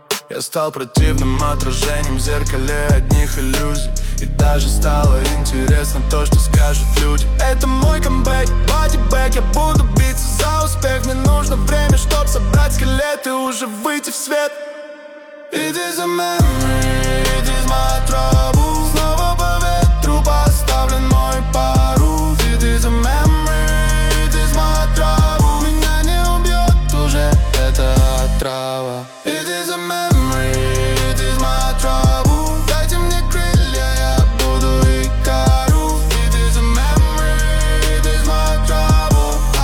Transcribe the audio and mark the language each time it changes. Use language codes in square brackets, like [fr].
[ru] Я стал противным отражением в зеркале одних иллюзий. И даже стало интересно то, что скажут люди. Это мой камбэк, бодибэк, я буду биться за успех. Мне нужно время, чтоб собрать скелет и уже выйти в свет. [en] It is a memory, it is my trouble. [ru] Снова по ветру поставлен мой парус. [en] It is a memory, it is my trouble. [ru] Меня не убьет уже эта отрава. [en] It is a memory, it is my trouble. [ru] Дайте мне крылья, я буду Икару. [en] It is a memory, it is my trouble.